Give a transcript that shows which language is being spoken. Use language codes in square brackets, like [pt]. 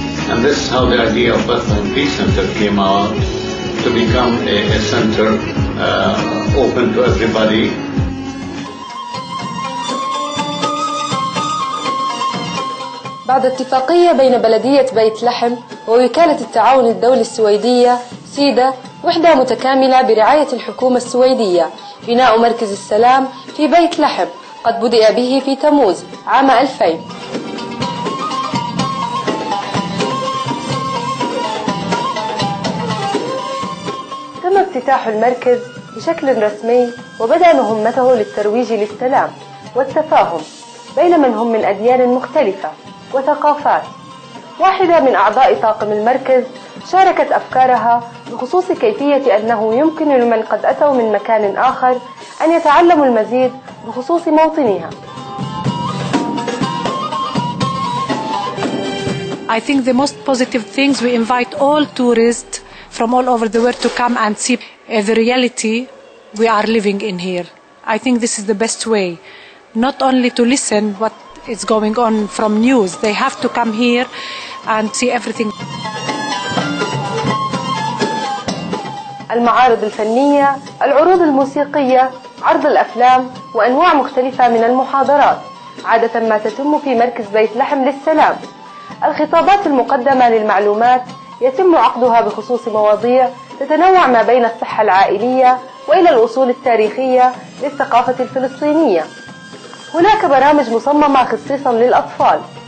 [en] And this is how the idea of Bethlehem Peace Center came out, to become a center open to everybody. [ar] بعد اتفاقية بين بلدية بيت لحم ووكالة التعاون الدولي السويدية سيدا، وحدة متكاملة برعاية الحكومة السويدية، بناء مركز السلام في بيت لحم قد بدأ به في تموز عام 2000. تم افتتاح المركز بشكل رسمي وبدأ مهمته للترويج للسلام والتفاهم بين من هم من أديان مختلفة وثقافات. واحدة من أعضاء طاقم المركز شاركت أفكارها بخصوص كيفية أنه يمكن لمن قد أتوا من مكان آخر أن يتعلموا المزيد بخصوص موطنها. [en] I think the most positive things, we invite all tourists from all over the world to come and see the reality we are living in here. I think this is the best way, not only to listen what it's going on from news. They have to come here and see everything. [ar] المعارض الفنية، العروض الموسيقية، عرض الأفلام وأنواع مختلفة من المحاضرات عادة ما تتم في مركز بيت لحم للسلام. الخطابات المقدمة للمعلومات يتم عقدها بخصوص مواضيع تتنوع ما بين الصحة العائلية وإلى الأصول التاريخية للثقافة الفلسطينية. هناك برامج مصممة خصيصاً للأطفال